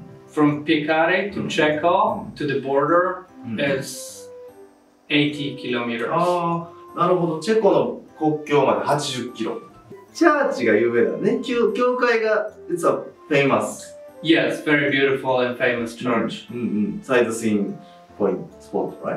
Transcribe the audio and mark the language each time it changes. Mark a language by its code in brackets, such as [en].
[en] From Pekare to Czecho to the border is 80 kilometers. [ja] なるほど。チェコの国境まで80キロ。チャーチが有名だね。教会が実は famous. [en] Yes, very beautiful and famous church. Sightseeing point spot, right?